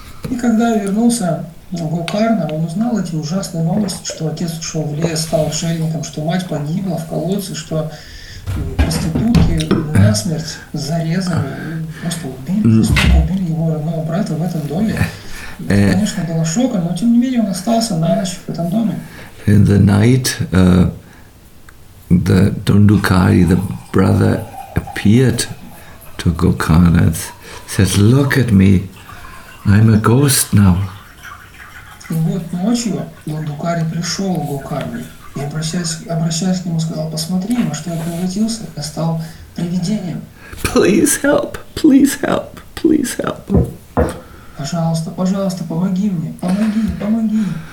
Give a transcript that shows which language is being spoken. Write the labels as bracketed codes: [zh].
[ru] И когда вернулся в Гокарна, он узнал эти ужасные новости, что отец ушел в лес, стал отшельником, что мать погибла в колодце, что проститутки насмерть зарезали, просто убили его родного брата в этом доме. Это, конечно, было шоком, но тем не менее он остался на ночь в этом доме. [en] In the night, the Dundukari, the brother, appeared to Gokarna and said, "Look at me, I'm a ghost now." [ru] И вот ночью Дундукари пришел к Гокарне и, обращаясь к нему, сказал, "Посмотри, во что я превратился, я стал привидением." [en] Please help, please help, please help. [ru] Пожалуйста, пожалуйста, помоги мне, помоги, помоги.